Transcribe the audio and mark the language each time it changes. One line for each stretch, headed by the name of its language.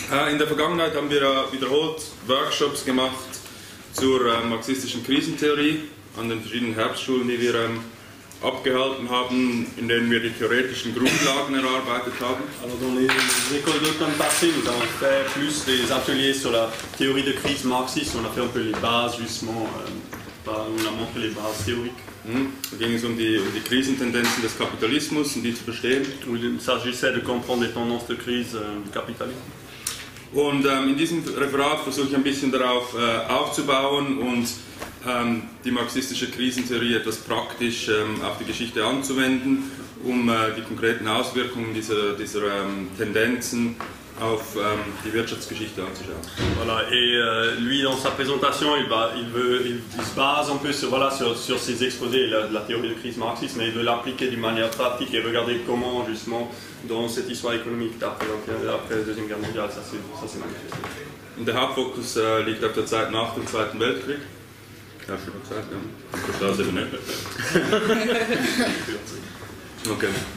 German: In der Vergangenheit haben wir wiederholt Workshops gemacht zur marxistischen Krisentheorie an den verschiedenen Herbstschulen, die wir abgehalten haben, in denen wir die theoretischen Grundlagen erarbeitet haben.
French: Alors dans les écoles de temps passé, nous avons fait plus des ateliers sur la théorie de crise marxiste. On a fait un peu les bases justement, on a montré les bases théoriques.
German: Da ging es um die Krisentendenzen des Kapitalismus und die zu verstehen.
French: Il s'agissait de comprendre les tendances de crise du capitalisme.
German: Und in diesem Referat versuche ich ein bisschen darauf aufzubauen und die marxistische Krisentheorie etwas praktisch auf die Geschichte anzuwenden, um die konkreten Auswirkungen dieser Tendenzen auf die Wirtschaftsgeschichte anzuschauen.
French: Voilà, et lui dans sa présentation, il se base un peu sur ses exposés, la théorie de crise marxiste, mais il veut l'appliquer d'une manière pratique et regarder comment justement dans cette histoire économique d'après la Deuxième Guerre mondiale, ça s'est manifesté.
German: Und der Hauptfokus liegt auf der Zeit nach dem Zweiten Weltkrieg. Ja, schon gesagt, ja. Ich verstehe es eben nicht. Okay.